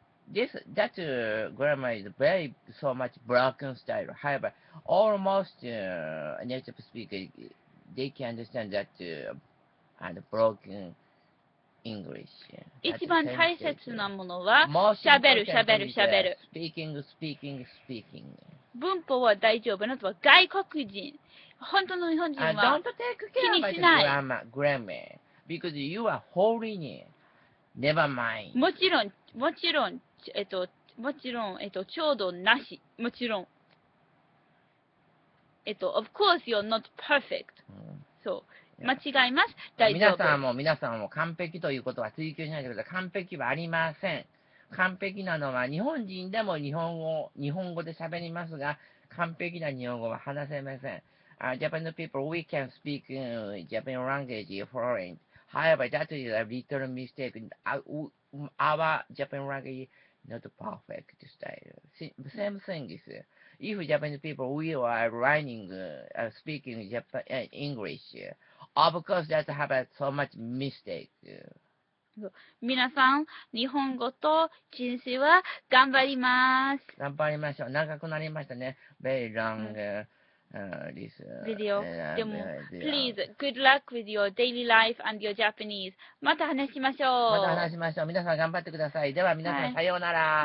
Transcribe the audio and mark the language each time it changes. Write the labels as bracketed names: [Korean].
[English] This, that grammar is very so much broken style. However, almost native speakers, they can understand that and broken English. [Japanese] 一番大切なものは、しゃべる。 [English] Speaking. [Japanese] 文法は大丈夫なのは外国人。本当の日本人は気にしない。 [English] grammar, because you are foreigner. Never mind. [Japanese] もちろん、ちょうどなし。もちろん。 [English] Of course, you're not perfect.、 [Japanese] うん、そう。間違います。大丈夫。皆さんも完璧ということは追求しないでください。完璧はありません。完璧なのは日本人でも日本語で喋りますが、完璧な日本語は話せません。 [English] Japanese people, we can speak Japanese language foreign. However, that is a little mistake. Our Japanese language not perfect style. Same thing is, if Japanese people, we are learning, speaking English, of course, that have so much mistake. [Japanese] 皆さん、日本語と人生は頑張ります。頑張りましょう。長くなりましたね。 [English] Very long.、 [Japanese] うん [English] Video. [Japanese] でも、 [English] please, good luck with your daily life and your Japanese. [Japanese] また話しましょう。皆さん頑張ってください。では皆さん、はい、さようなら。